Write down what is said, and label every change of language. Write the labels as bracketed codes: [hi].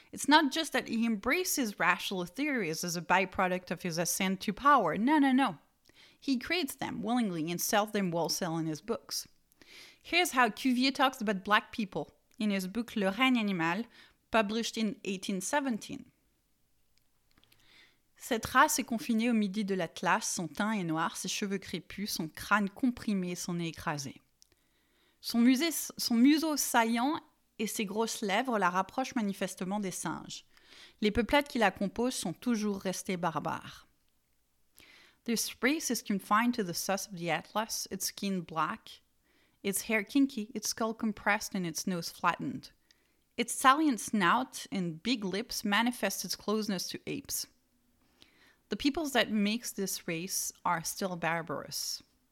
[en] It's not just that he embraces rational theories as a byproduct of his ascent to power. No, no, no. He creates them willingly and sells them wholesale in his books. Here's how Cuvier talks about black people in his book Le règne animal, published in 1817. [fr] Cette race est confinée au midi de l'Atlas, son teint est noir, ses cheveux crépus, son crâne comprimé, son nez écrasé. Son museau saillant et ses grosses lèvres la rapprochent manifestement des singes. Les peuplades qui la composent sont toujours restées barbares. [en] This race is confined to the source of the Atlas, its skin black, its hair kinky, its skull compressed and its nose flattened. Its salient snout and big lips manifest its closeness to apes. The peoples that make this race are still barbarous.